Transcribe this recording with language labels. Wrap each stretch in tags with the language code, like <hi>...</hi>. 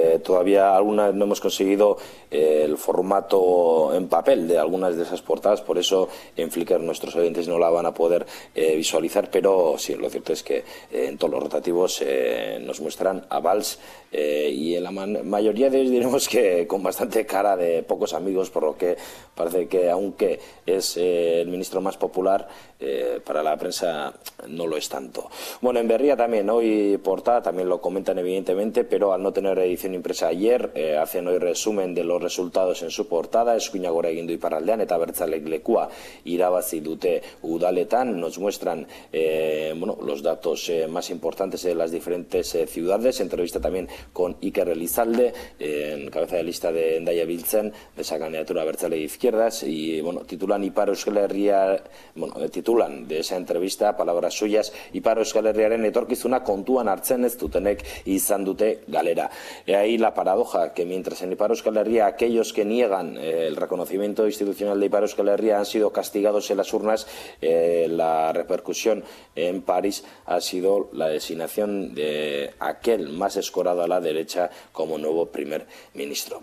<es>Todavía algunas no hemos conseguido el formato en papel de algunas de esas portadas, por eso en Flickr nuestros oyentes no la van a poder visualizar, pero sí, lo cierto es que en todos los rotativos nos muestran a Valls, y en la mayoría de ellos diremos que con bastante cara de pocos amigos, por lo que parece que, aunque es el ministro más popular, para la prensa no lo es tanto. Bueno, en Berria también hoy portada, también lo comentan evidentemente, pero al no tener edición impresa ayer, hacen hoy resumen de los resultados en su portada.</es> <eu>Eskuina gora egin du Iparraldean eta Abertzaleek lekua irabazi dute udaletan.</eu> <es>Nos muestran los datos más importantes de las diferentes ciudades. Entrevista también con Iker Elizalde, en cabeza de lista de Hendaya Biltzen, de esa candidatura Abertzale Izquierdas. Y titulan</es> <eu>Ipar Euskal Herria, titulan de esa entrevista, palabras suyas: Ipar Euskal Herriaren etorkizuna kontuan hartzen ez dutenek izan dute galera.</eu> <es>Y ahí la paradoja, que mientras en Ipar Euskal Herria aquellos que niegan el reconocimiento institucional de Ipar Euskal Herria han sido castigados en las urnas, la repercusión en París ha sido la designación de aquel más escorado a la derecha como nuevo primer ministro.</es>